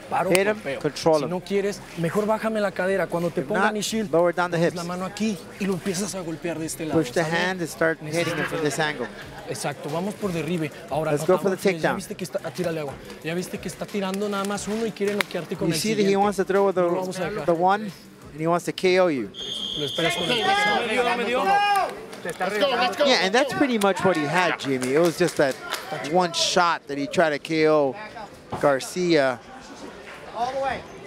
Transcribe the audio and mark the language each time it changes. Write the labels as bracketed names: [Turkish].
[English] Hit him, control him. If you don't, lower down the hips. Push the hand and start hitting him from this angle. [Spanish] Exacto, vamos por derribe. [English] Ahora, let's go for the takedown. [Spanish] Ya viste que está, tírale agua. Ya viste que está tirando nada más uno y quiere noquearte con el siguiente. [English] You see that he wants to throw with the one and he wants to KO you. [Spanish] Lo esperas con el medio. [English] Let's go. Yeah, and that's pretty much what he had, Jimmy. It was just that one shot that he tried to KO Garcia. All the way.